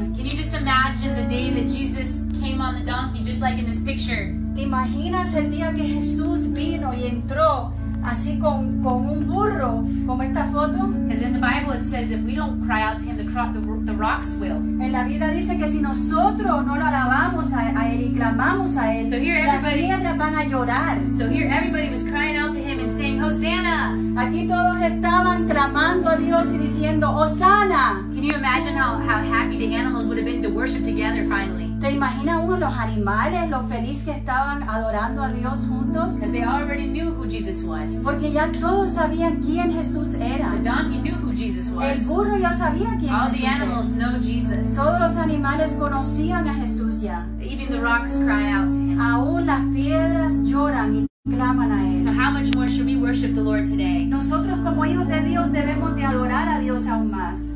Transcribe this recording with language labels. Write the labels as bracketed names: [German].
[English] Can you just imagine the day that Jesus came on the donkey, just like in this picture? [Spanish] ¿Te imaginas el día que Jesús vino y entró así con un burro, como esta foto? [English] Because in the Bible it says if we don't cry out to him, the rocks will. [Spanish] En la Biblia dice que si nosotros no lo alabamos a él y clamamos a él, las piedras van a llorar. [English] So here everybody was crying out to him and saying, Hosanna. [Spanish] Aquí todos estaban clamando a Dios y diciendo, Hosanna. [English] Can you imagine how happy the animals would have been to worship together finally? [Spanish] ¿Te imaginas uno los animales lo feliz que estaban adorando a Dios juntos? [English] Because they already knew who Jesus was. [Spanish] Porque ya todos sabían quién Jesús era. [English] The donkey knew who Jesus was. [Spanish] El burro ya sabía quién Jesús era. [English] All the animals know Jesus. [Spanish] Todos los animales conocían a Jesús ya. [English] Even the rocks cry out to him. [Spanish] Aún las piedras lloran y claman a él. [English] So how much more should we worship the Lord today? [Spanish] Nosotros como hijos de Dios debemos de adorar a Dios aún más.